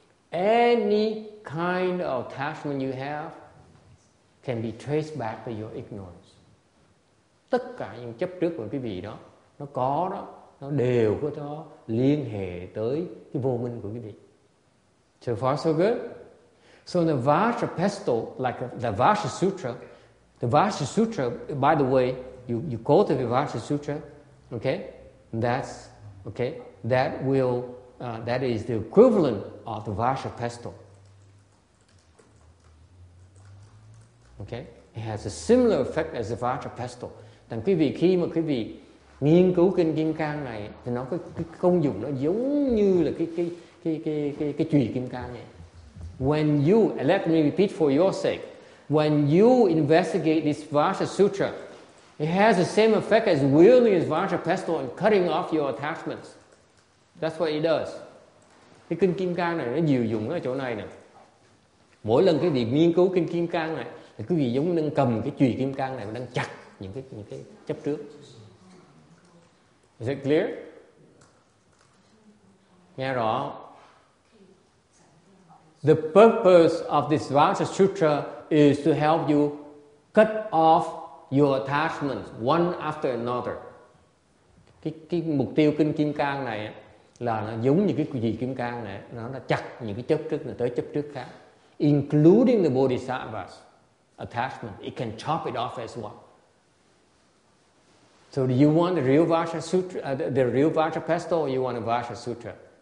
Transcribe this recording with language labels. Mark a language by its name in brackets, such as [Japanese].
[English] Any kind of attachment you have can be traced back to your ignorance. [Vietnamese] Tất cả những chấp trước của quý vị đó, nó có đó, nó đều có đó liên hệ tới cái vô minh của quý vị. [English] So far so good. So in the Vajra Pestle, like the Vajra Sutra, by the way, you quote the Vajra Sutra, okay? That's, okay? that will that is the equivalent of the Vajra pestle. Okay? It has a similar effect as the Vajra pestle. [Vietnamese] Đằng quý vị khi mà quý vị nghiên cứu kinh Kim Cang này thì nó cái công dụng nó giống như là cái chùy Kim Cang vậy. [English] When you, and let me repeat for your sake, when you investigate this Vajra Sutra, it has the same effect as wielding this Vajra pestle and cutting off your attachments. That's what it does. [Vietnamese] Cái kinh Kim Cang này nó nhiều dụng ở chỗ này nè. Mỗi lần cái việc nghiên cứu kinh Kim Cang này thì quý vị giống đang cầm cái chùy Kim Cang này và đang chặt những cái chấp trước. [English] Is it clear? [Vietnamese] Nghe rõ. [English] The purpose of this Vajra Sutra is to help you cut off your attachments one after another. [Vietnamese] Cái mục tiêu kinh Kim Cang này là nó giống như cái chùy Kim Cang này, nó là chặt những cái chấp trước này tới chấp trước khác, [English] including the bodhisattva's attachment. It can chop it off as well. So do you want the real Vajra Sutra, the real Vajra pestle, or you want a Vajra Sutra?